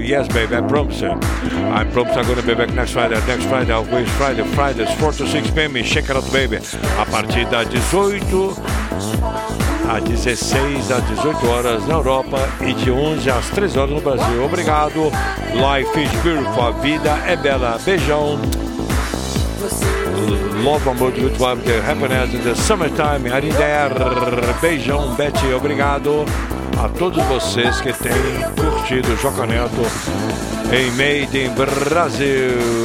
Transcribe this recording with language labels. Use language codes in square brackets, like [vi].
[en] Yes, baby, I promise you. I promise I'm going to be back next Friday. Next Friday, always Friday. Fridays, 4 to 6 p.m. Check it out, baby. [pt] A partir das 18 às 16 às 18 horas na Europa e de 11 às 3 horas no Brasil. Obrigado. [en] Life is beautiful. [pt] A vida é bela. Beijão. [en] Love, amor, good vibe, the happiness in the summertime. [pt] Ari Der, beijão, Betty, obrigado a todos vocês que têm curtido o Joca Neto em Made in Brasil.